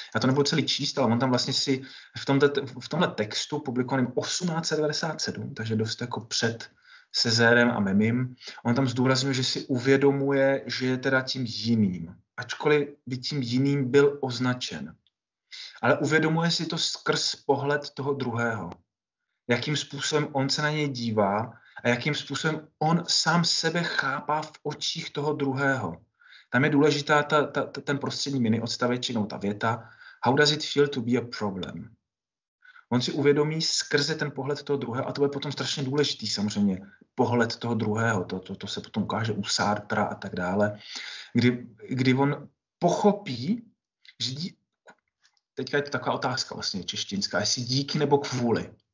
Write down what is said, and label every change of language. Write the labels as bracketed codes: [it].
[cs] Já to nebudu celý číst, ale on tam vlastně si v tomhle textu, publikovaném 1897, takže dost jako před Sezérem a Memim, on tam zdůrazňuje, že si uvědomuje, že je teda tím jiným, ačkoliv by tím jiným byl označen. Ale uvědomuje si to skrz pohled toho druhého, jakým způsobem on se na něj dívá a jakým způsobem on sám sebe chápá v očích toho druhého. Tam je důležitá ten prostřední mini odstaveček, nebo ta věta. [en] How does it feel to be a problem? [cs] On si uvědomí skrze ten pohled toho druhého, a to je potom strašně důležitý samozřejmě, pohled toho druhého, to se potom ukáže u Sartra a tak dále, kdy on pochopí, že teďka je to taková otázka vlastně češtinská, jestli díky nebo kvůli.